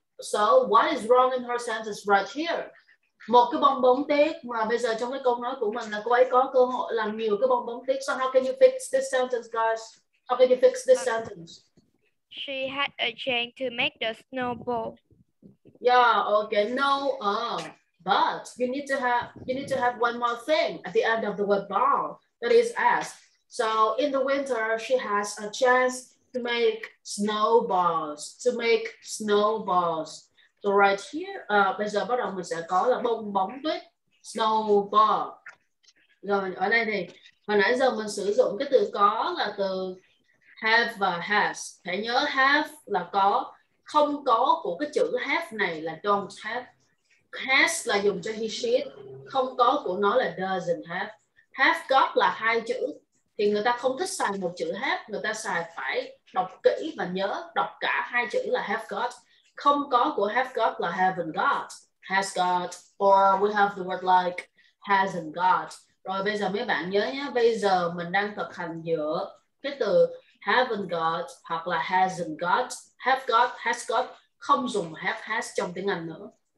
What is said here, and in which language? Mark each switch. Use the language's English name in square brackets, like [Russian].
[English] So what is wrong in her sentence right here? [Vietnamese] Một cái bong bóng tuyết mà bây giờ trong cái câu nói của mình là cô ấy có cơ hội làm nhiều cái bong bóng tuyết. [English] So how can you fix this sentence, guys? How can you fix this sentence? She had a chance to make the snowball. Yeah. Okay. No. But you need to have one more thing at the end of the word ball, that is S. So in the winter, she has a chance to make snowballs. So right here, [Vietnamese] bây giờ bắt đầu mình sẽ có là bong bóng tuyết, snowball. Rồi ở đây thì hồi nãy giờ mình sử dụng cái từ có là từ have và has. Hãy nhớ have là có, không có của cái chữ have này là don't have. Has là dùng cho he, she, không có của nó là doesn't have. Have got là hai chữ. Thì người ta không thích xài một chữ have, người ta xài phải đọc kỹ và nhớ đọc cả hai chữ là have got. Không có của have got là haven't got. [English] Has got, or we have the word like hasn't got. [Vietnamese] Rồi bây giờ mấy bạn nhớ nhé, bây giờ mình đang thực hành giữa cái từ haven't got hoặc là hasn't got. Have got, has got, không dùng have, has trong tiếng Anh nữa.